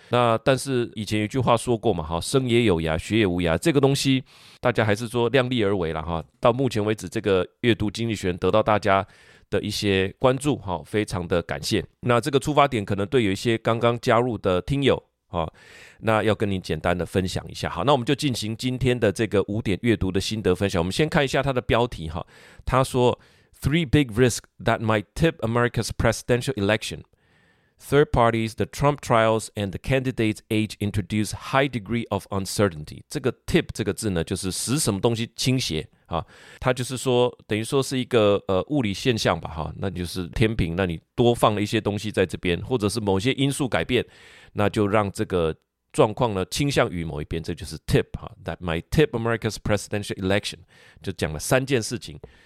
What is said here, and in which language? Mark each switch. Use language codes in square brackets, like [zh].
[zh] 那但是以前有句话说过嘛，生也有涯，学也无涯，这个东西大家还是说量力而为啦。到目前为止，这个阅读经济学得到大家的一些关注，非常的感谢。那这个出发点可能对有一些刚刚加入的听友，那要跟你简单的分享一下。好，那我们就进行今天的这个五点阅读的心得分享。我们先看一下它的标题，他说 [en] Three big risks that might tip America's presidential election. Third parties, the Trump trials and the candidate's age introduce high degree of uncertainty. [zh] 这个 tip 这个字呢，就是使什么东西倾斜，它就是说等于说是一个物理现象吧，那就是天平，那你多放了一些东西在这边，或者是某些因素改变，那就让这个状况呢倾向于某一边，这就是 [en] tip that might tip America's presidential election， [zh] 就讲了三件事情。